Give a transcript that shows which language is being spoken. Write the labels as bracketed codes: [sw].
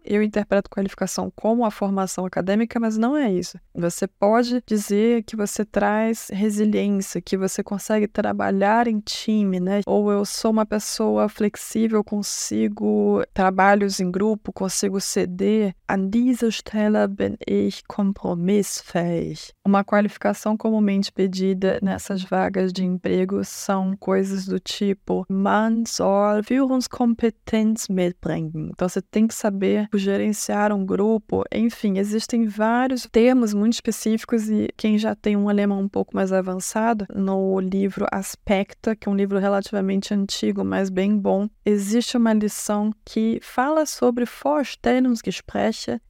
[pt] Eu interpreto qualificação como a formação acadêmica, mas não é isso. Você pode dizer que você traz resiliência, que você consegue trabalhar trabalhar em time, né? Ou eu sou uma pessoa flexível, consigo trabalhos em grupo, consigo ceder. [de] An dieser Stelle bin ich kompromissfähig. [pt] Uma qualificação comumente pedida nessas vagas de emprego são coisas do tipo: [de] man soll Führungskompetenz mitbringen. [pt] Então, você tem que saber gerenciar um grupo. Enfim, existem vários termos muito específicos e quem já tem um alemão um pouco mais avançado, no livro Aspecta, que é um livro relativamente antigo, mas bem bom, existe uma lição que fala sobre Vorstellungsgespräche.